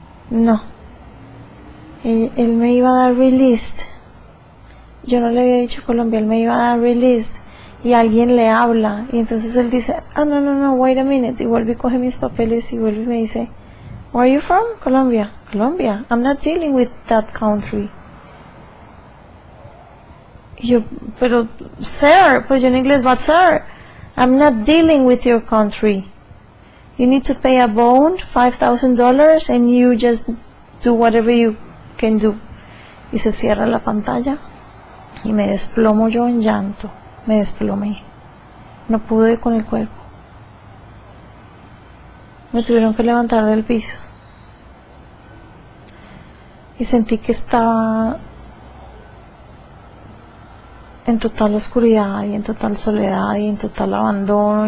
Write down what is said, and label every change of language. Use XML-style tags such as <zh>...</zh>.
<es>No. Él me iba a dar released. Yo no le había dicho Colombia, él me iba a dar released. Y alguien le habla. Y entonces él dice, ah, no, no, no,</es> <en>wait a minute.</en> <es>Y vuelve y coge mis papeles y vuelve y me dice,</es> <en>where are you from?</en> <es>Colombia. Colombia.</es> <en>I'm not dealing with that country.</en> <es>Y yo, pero, sir, pues yo en inglés,</es> <en>but sir, I'm not dealing with your country. You need to pay a bond, $5,000, and you just do whatever you can do.</en> <es>Y se cierra la pantalla y me desplomo yo en llanto. Me desplomé. No pude con el cuerpo. Me tuvieron que levantar del piso. Y sentí que estaba en total oscuridad y en total soledad y en total abandono.</es>